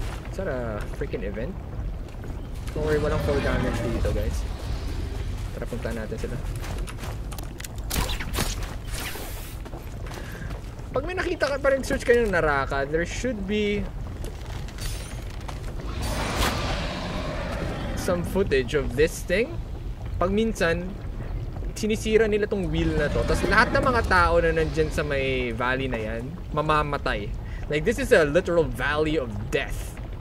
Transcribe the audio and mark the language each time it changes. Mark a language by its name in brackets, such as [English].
[English] Is that a freaking event? Don't worry, [Filipino] walang fall damage dito, guys. Tara, punta natin sila. Pag may nakita ka pa rin search kayo ng Naraka, there should be some footage of this thing. Pag minsan, sinisira nila tong wheel na to. Tapos lahat ng mga tao na nandyan sa may valley na yan, mamamatay. [English] Like, this is a literal valley of death.